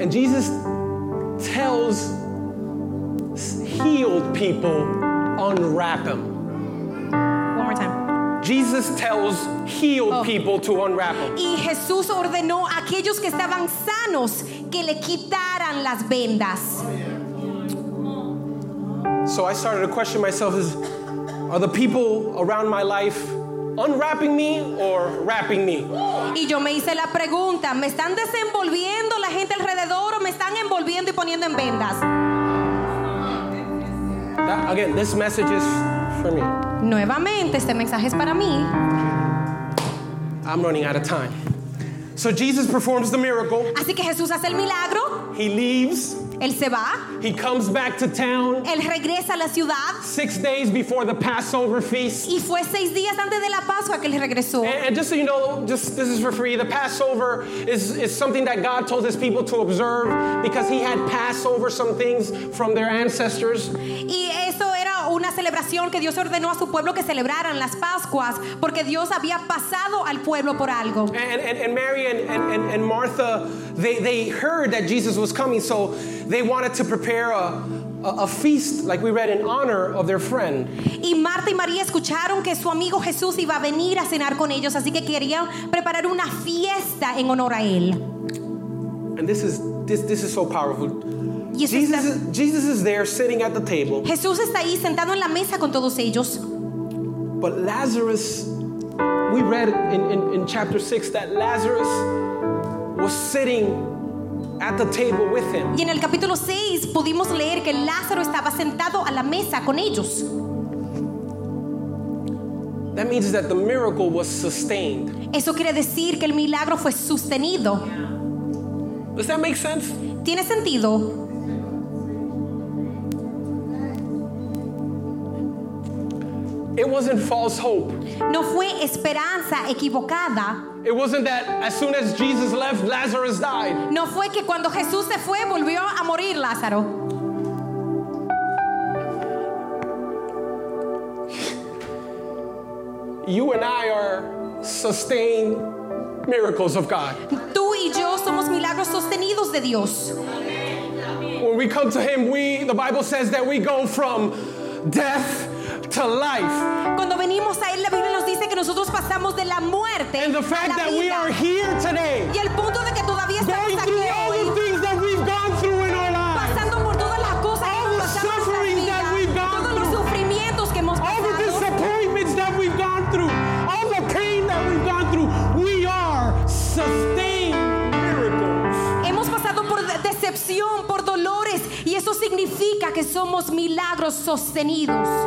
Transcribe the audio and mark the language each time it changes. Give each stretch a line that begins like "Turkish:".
English: And Jesus tells healed people, unwrap him. One more time. Jesus tells healed people to unwrap him.
Spanish: Y Jesús ordenó a aquellos que estaban sanos que le quitaran las vendas.
English: So I started to question myself, are the people around my life unwrapping me or wrapping me?
Spanish: Y yo me hice la pregunta, ¿me están desenvolviendo la gente alrededor o me están envolviendo y poniendo en vendas?
English: Again, this message is for me.
Spanish: Nuevamente, este mensaje es para mí.
English: I'm running out of time. So Jesus performs the miracle.
Spanish: Así que Jesús hace el milagro.
English: He leaves.
Spanish: Él se va.
English: He comes back to town.
Spanish: Él regresa a la ciudad.
English: 6 days before the Passover feast.
Spanish: Y fue 6 días antes de la Pascua que él regresó.
English: And just so you know, just this is for free. The Passover is something that God told his people to observe because he had Passover some things from their ancestors.
Spanish: Y eso era una celebración que Dios ordenó a su pueblo que celebraran las Pascuas porque Dios había pasado al pueblo por algo.
English: And Mary and Martha, they heard that Jesus was coming, so they wanted to prepare a feast like we read in honor of their friend.
Spanish: Y Marta y María escucharon que su amigo Jesús iba a venir a cenar con ellos, así que querían preparar una fiesta en honor a él.
English: And this is so powerful. Jesus is there sitting at the table.
Spanish: Jesús está ahí sentado en la mesa con todos ellos.
English: But Lazarus, we read in chapter 6 that Lazarus was sitting at the table with him.
Spanish: Y en el capítulo 6 pudimos leer que Lázaro estaba sentado a la mesa con ellos.
English: That means that the miracle was sustained.
Spanish: Eso quiere decir que el milagro fue sostenido.
English: Does that make sense?
Spanish: ¿Tiene sentido?
English: It wasn't false hope.
Spanish: No fue esperanza equivocada.
English: It wasn't that as soon as Jesus left, Lazarus died.
Spanish: No fue que cuando Jesús se fue, volvió a morir Lázaro.
English: You and I are sustained miracles of God.
Spanish: Tú y yo somos milagros sostenidos de Dios.
English: When we come to Him, the Bible says that we go from death to life.
Spanish: Cuando venimos a él, la Biblia nos dice que nosotros pasamos de la muerte a la vida.
English: And the fact that we are here today.
Spanish: Y el punto de que todavía estamos aquí.
English: Going through all the things that we've gone through in our lives.
Spanish: Pasando por todas las cosas que hemos pasado.
English: All the suffering that we've gone through.
Spanish: Todos los sufrimientos que hemos pasado.
English: All the disappointments that we've gone through. All the pain that we've gone through. We are sustained miracles.
Spanish: Hemos pasado por decepción, por dolores, y eso significa que somos milagros sostenidos.